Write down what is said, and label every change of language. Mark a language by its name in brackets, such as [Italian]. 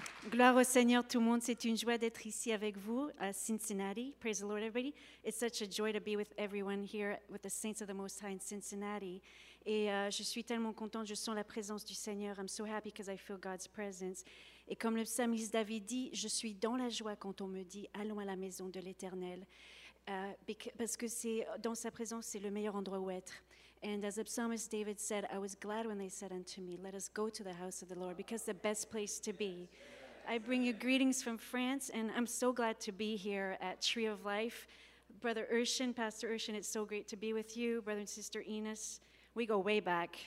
[French] Gloire au Seigneur, tout le monde, c'est une joie d'être ici avec vous à Cincinnati. [English] Praise the Lord, everybody. It's such a joy to be with everyone here with the Saints of the Most High in Cincinnati. [French] Et je suis tellement contente, je sens la présence du Seigneur. [English] I'm so happy because I feel God's presence. [French] Et comme le psalmiste David dit, je suis dans la joie quand on me dit, allons à la maison de l'Éternel. Parce que c'est dans sa présence, c'est le meilleur endroit où être. [English] And as the psalmist David said, I was glad when they said unto me, let us go to the house of the Lord, because the best place to be. I bring you greetings from France, and I'm so glad to be here at Tree of Life. Brother Urshan, Pastor Urshan, it's so great to be with you. Brother and Sister Enos, we go way back.